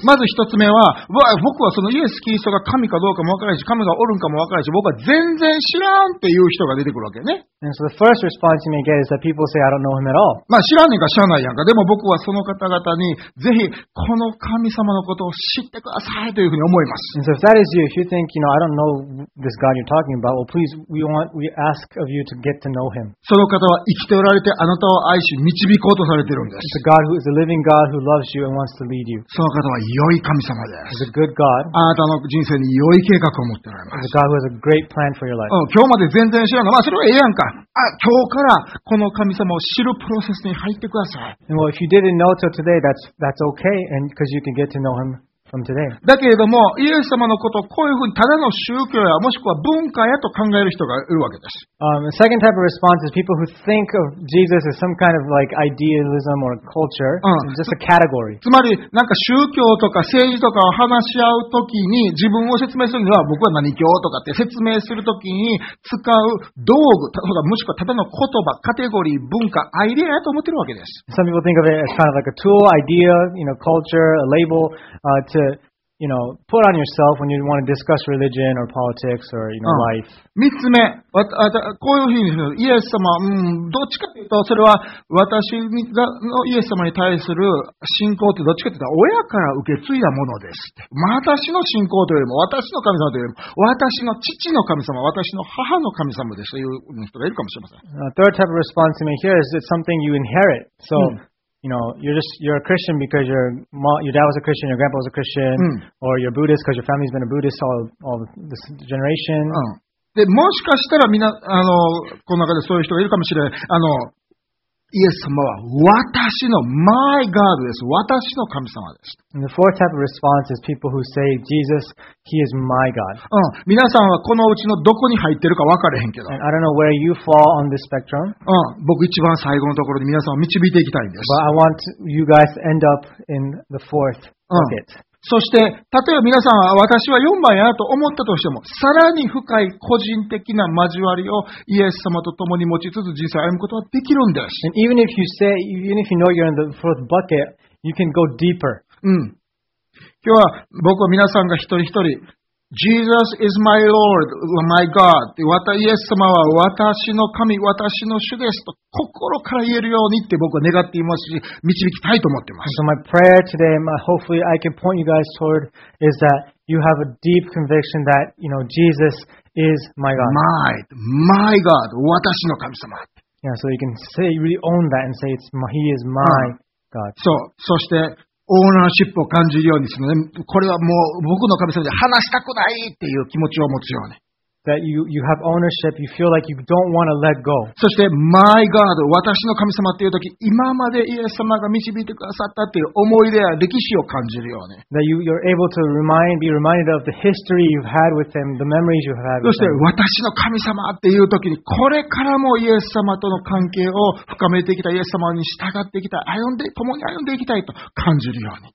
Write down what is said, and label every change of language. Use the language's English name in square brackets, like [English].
[Japanese] まず一つ目は、僕はそのイエス・キリストが神かどうかもわからないし、神がおるんかもわからないし、僕は全然知らんっていう人が出てくるわけね。 [English] And so the first response you may get is that people say, I don't know him at all. [Japanese] まあ知らんねんか知らないやんか。でも僕はその方々に、ぜひこの神様のことを知ってくださいというふうに思います。 [English] And so if that is you, if you think, you know, I don't know this God you're talking about, well, please, we ask of you to get to know him. [Japanese] その方は生きておられて、あなたを愛し、導き、行こうとされているんです。 [English] It's a God who is a living God who loves you and wants to lead you. [Japanese] その方は良い神様です。 [English] He's a good God. [Japanese] あなたの人生に良い計画を持っておられます。 [English] He's a God who has a great plan for your life. [Japanese] 今日まで全然知らんの、まあそれはええやんか。今日からこの神様を知るプロセスに入ってください。 [English] And well, if you didn't know till today, that's okay, and because you can get to know him from today. [Japanese] だけれども、イエス様のことをこういうふうにただの宗教やもしくは文化やと考える人がいるわけです。 [English] The second type of response is people who think of Jesus as some kind of like idealism or culture. It's just a category. [Japanese] つまり、なんか宗教とか政治とかを話し合うときに、自分を説明するには、僕は何教とかって説明するときに使う道具、もしくはただの言葉、カテゴリー、文化、アイデアやと思ってるわけです。 [English] Some people think of it as kind of like a tool, idea, you know, culture, a label, to, you know, put on yourself when you want to discuss religion or politics or, you know, life. [Japanese] 三つ目、こういうふうに言うイエス様、どっちかというとそれは私のイエス様に対する信仰ってどっちかというと親から受け継いだものです。私の信仰というよりも私の神様というよりも私の父の神様、私の母の神様ですという人がいるかもしれません。 [English] Third type of response you may hear is it's something you inherit. So,You know, you're a Christian because your dad was a Christian, your grandpa was a Christian, or you're Buddhist because your family's been a Buddhist all this generation. [Japanese] で、もしかしたらみんな、この中でそういう人がいるかもしれない。イエス様は私の、 [English] my God [Japanese] です。私の神様です。 [English] And the fourth type of response is people who say, Jesus, he is my God. [Japanese] 皆さんはこのうちのどこに入ってるか分かれへんけど。 [English] And I don't know where you fall on this spectrum. [Japanese] 僕一番最後のところに皆さんを導いていきたいんです。 [English] But I want you guys to end up in the fourth bucket. [Japanese] そして、例えば皆さんは私は4番やなと思ったとしても、さらに深い個人的な交わりをイエス様と共に持ちつつ人生を歩むことはできるんです。 [English] And even if you say, even if you know you're in the fourth bucket, you can go deeper. [Japanese] 今日は僕は皆さんが一人一人、 [English] Jesus is my Lord, my God. [Japanese] イエス様は私の神、私の主ですと心から言えるようにって僕は願っていますし、導きたいと思っています。 [English] So my prayer today, my hopefully I can point you guys toward is that you have a deep conviction that, you know, Jesus is my God. My God, [Japanese] 私の神様。 [English] Yeah, so you can say, really own that and say, it's my, He is my God. [Japanese] So, そして、オーナーシップを感じるようにですね。これはもう僕の神様で話したくないっていう気持ちを持つように。 [English] That you have ownership, you feel like you don't want to let go. [Japanese] そして、 [English] My God, [Japanese] 私の神様っていうとき、今までイエス様が導いてくださったっていう思い出や歴史を感じるように。 [English] That you're able to be reminded of the history you've had with him, the memories you've had with [Japanese] そして、私の神様っていうときに、これからもイエス様との関係を深めてきたイエス様に従ってきた、共に歩んでいきたいと感じるように。